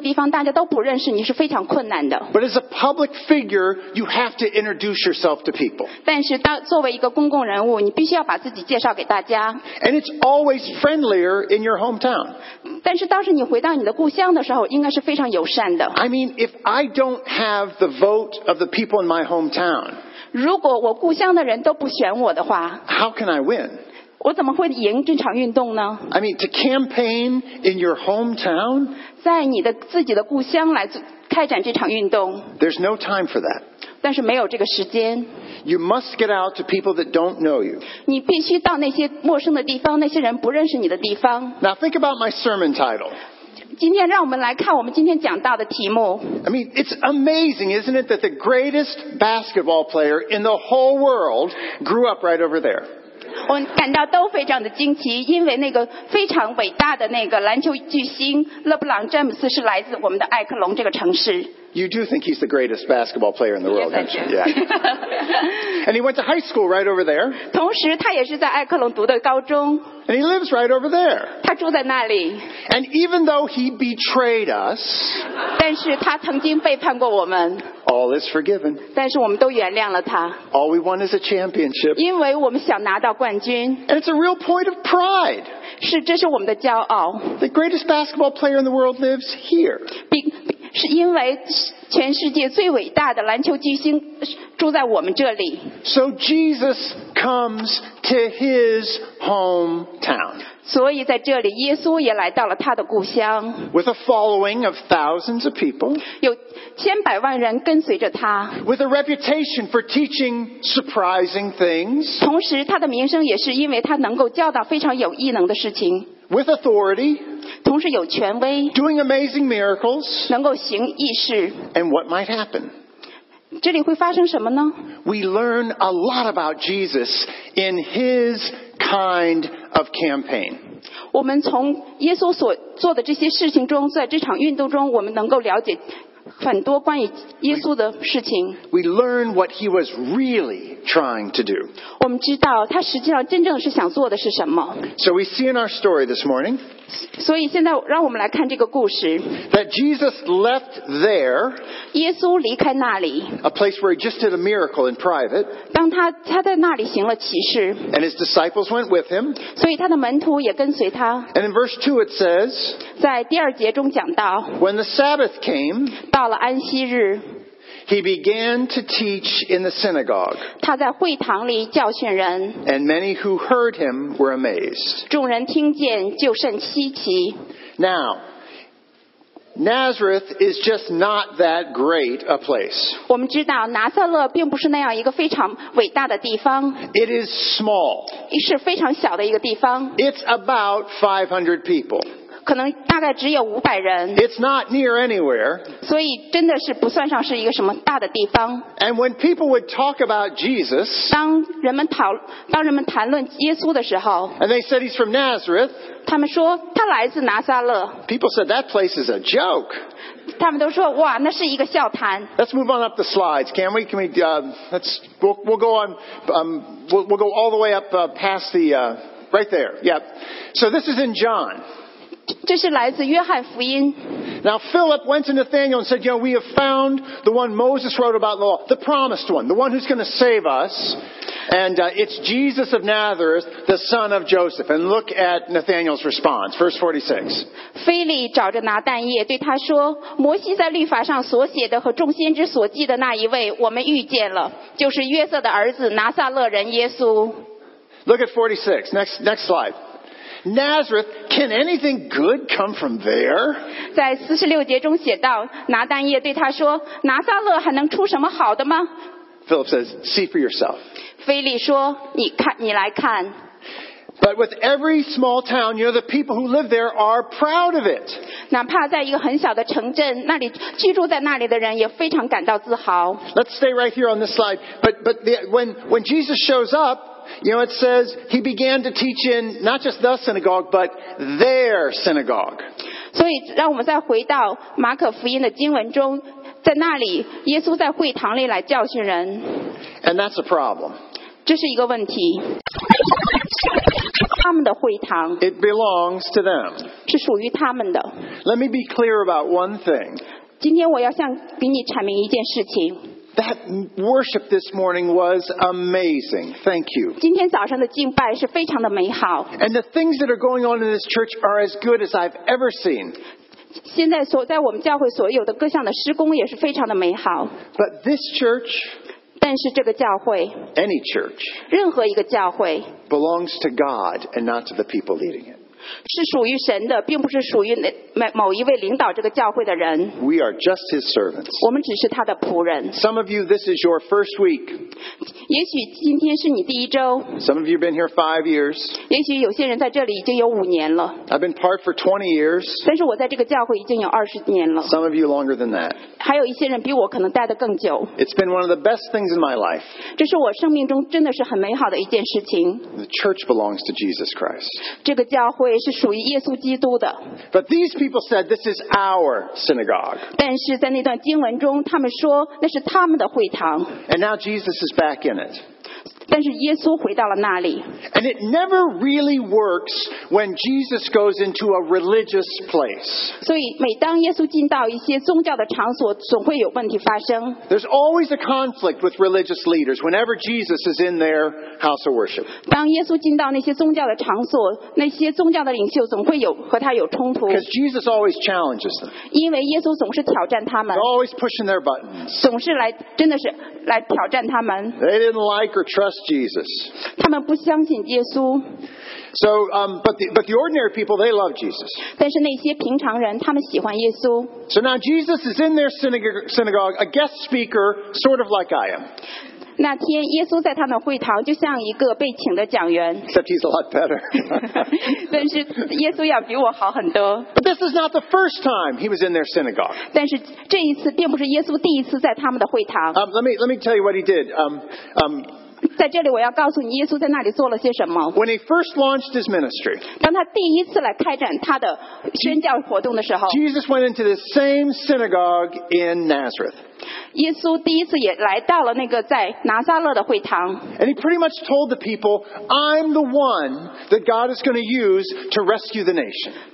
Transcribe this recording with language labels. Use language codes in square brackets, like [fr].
[zh] 但是当你到一个地方，那个是陌生的地方，大家都不认识你，是非常困难的。 [en] But as a public figure, you have to introduce yourself to people. [zh] 但是当作为一个公共人物，你必须要把自己介绍给大家。 [en] And it's always friendlier in your hometown. [zh] 但是当时你回到你的故乡的时候，应该是非常友善的。 [en] I mean, if I don't have the vote of the people in my hometown, [zh] 如果我故乡的人都不选我的话, [en] how can I win? [zh] 我怎么会赢这场运动呢? [en] I mean, to campaign in your hometown? [zh] 在你的自己的故乡来开展这场运动。 [en] There's no time for that. [zh] 但是没有这个时间。 [en] You must get out to people that don't know you. [zh] 你必须到那些陌生的地方，那些人不认识你的地方。 [en] Now think about my sermon title. [zh] 今天让我们来看我们今天讲到的题目。 [en] I mean, it's amazing, isn't it, that the greatest basketball player in the whole world grew up right over there? [zh] 我感到都非常的惊奇，因为那个非常伟大的那个篮球巨星勒布朗詹姆斯是来自我们的艾克隆这个城市。 [en] You do think he's the greatest basketball player in the world, don't you? Yeah. And he went to high school right over there. [zh] 同时他也是在艾克隆读的高中。 [en] And he lives right over there. [zh] 他住在那里。 [en] And even though he betrayed us, [zh] 但是他曾经背叛过我们。 [en] All is forgiven. [zh] 但是我们都原谅了他。 [en] All we want is a championship. [zh] 因为我们想拿到冠军。 [en] And it's a real point of pride. [zh] 是，这是我们的骄傲。 [en] The greatest basketball player in the world lives here. [zh] 是因为全世界最伟大的篮球巨星住在我们这里。 [en] So Jesus comes to his hometown. [zh] 所以在这里，耶稣也来到了他的故乡。 [en] With a following of thousands of people. [zh] 有千百万人跟随着他。 [en] With a reputation for teaching surprising things. [zh] 同时，他的名声也是因为他能够教导非常有异能的事情。 [en] With authority. [zh] 同时有权威。 [en] Doing amazing miracles. [zh] 能够行异事。 [en] And what might happen? [zh] 这里会发生什么呢？ [en] We learn a lot about Jesus in his kind of campaign. [zh] 我们从耶稣所做的这些事情中，在这场运动中，我们能够了解很多关于耶稣的事情。 [en] We learn what he was really trying to do. [zh] 我们知道他实际上真正是想做的是什么。 [en] So we see in our story this morning. [zh] 所以现在让我们来看这个故事。 [en] That Jesus left there. [zh] 耶稣离开那里。 [en] A place where he just did a miracle in private. [zh] 当他在那里行了奇事。 [en] And his disciples went with him. [zh] 所以他的门徒也跟随他。 [en] And in verse 2 it says. [zh] 在第二节中讲到。 [en] When the Sabbath came. [zh] 到了安息日 [en] He began to teach in the synagogue. [zh] 他在会堂里教训人 [en] And many who heard him were amazed. [zh] 众人听见就甚稀奇 [en] Now, Nazareth is just not that great a place. [zh] 我们知道拿撒勒并不是那样一个非常伟大的地方 [en] It is small. [zh] 是非常小的一个地方 [en] It's about 500 people. [zh] 可能大概只有五百人。 [en] It's not near anywhere. [zh] 所以真的是不算上是一个什么大的地方。 [en] And when people would talk about Jesus, [zh] 当人们谈论耶稣的时候 [en] ，and they said he's from Nazareth. [zh] 他们说他来自拿撒勒。 [en] People said that place is a joke. [zh] 他们都说哇，那是一个笑谈。 [en] Let's move on up the slides, can we? We'll go all the way up past the right there. Yep. So this is in John. [zh] 这是来自约翰福音。 [en] Now Philip went to Nathanael and said, "You know, we have found the one Moses wrote about in the law, the promised one, the one who's going to save us, and it's Jesus of Nazareth, the son of Joseph." And look at Nathanael's response, verse 46. [zh] 腓力找着拿但业，对他说：“摩西在律法上所写的和众先知所记的那一位，我们遇见了，就是约瑟的儿子拿撒勒人耶稣。” [en] Look at 46. Next slide. Nazareth, can anything good come from there? [zh] 在四十六节中写道，拿但业对他说，拿撒勒还能出什么好的吗？ [en] Philip says, "See for yourself." [zh] 腓力说，你看，你来看。 [en] But with every small town, you know, the people who live there are proud of it. [zh] 哪怕在一个很小的城镇，那里居住在那里的人也非常感到自豪。 [en] Let's stay right here on this slide. But the, when Jesus shows up. You know, it says he began to teach in not just the synagogue, but their synagogue. [zh] 所以让我们再回到马可福音的经文中，在那里，耶稣在会堂里来教训人。 [en] And that's a problem. [zh] 这是一个问题。他们的会堂。 [en] It belongs to them. [zh] 是属于他们的。 [en] Let me be clear about one thing. [zh] 今天我要向给你阐明一件事情。 [en] That worship this morning was amazing. Thank you. [zh] 今天早上的敬拜是非常的美好。 [en] And the things that are going on in this church are as good as I've ever seen. [zh] 现在所在我们教会所有的各项的施工也是非常的美好。 [en] But this church, [zh] 但是这个教会 [en] any church, [zh] 任何一个教会 [en] belongs to God and not to the people leading it. [zh] 是属于神的，并不是属于某一位领导这个教会的人。 [en] We are just his servants. [zh] 我们只是他的仆人。 [en] Some of you, this is your first week. [zh] 也许今天是你第一周。 [en] Some of you have been here 5 years. [zh] 也许有些人在这里已经有五年了。 [en] I've been part for 20 years. [zh] 但是我在这个教会已经有二十年了。 [en] Some of you longer than that. [zh] 还有一些人比我可能待得更久。 [en] It's been one of the best things in my life. [zh] 这是我生命中真的是很美好的一件事情。 [en] The church belongs to Jesus Christ. [zh] 这个教会是属于耶稣基督的。 [en] But these people said this is our synagogue. [zh] 但是在那段经文中，他们说那是他们的会堂。 [en] And now Jesus is back in it. [zh] 但是耶稣回到了那里。 [en] And it never really works when Jesus goes into a religious place. [zh] 所以每当耶稣进到一些宗教的场所，总会有问题发生。 [en] There's always a conflict with religious leaders whenever Jesus is in their house of worship. [zh] 当耶稣进到那些宗教的场所，那些宗教的领袖总会有和他有冲突。 [en] Because Jesus always challenges them. [zh] 因为耶稣总是挑战他们。 [en] He's always pushing their buttons. [zh] 总是来，真的是来挑战他们。 [en] They didn't like or trust. [zh] 他们不相信耶稣。 [en] So, but the ordinary people, they love Jesus. [zh] 但是那些平常人，他们喜欢耶稣。 [en] So now Jesus is in their synagogue, a guest speaker, sort of like I am. [zh] 那天耶稣在他们会堂，就像一个被请的讲员。 [en] Except he's a lot better. [zh] 但是耶稣要比我好很多。 [en] But this is not the first time he was in their synagogue. [zh] 但是这一次并不是耶稣第一次在他们的会堂。 [en] Let me tell you what he did. [zh] 在这里我要告诉你耶稣在那里做了些什么。 [en] When he first launched his ministry, [zh] 当他第一次来开展他的宣教活动的时候 [en] Jesus went into the same synagogue in Nazareth. [zh] 耶稣第一次也来到了那个在拿撒勒的会堂。 [en] And he pretty much told the people, I'm the one that God is going to use to rescue the nation.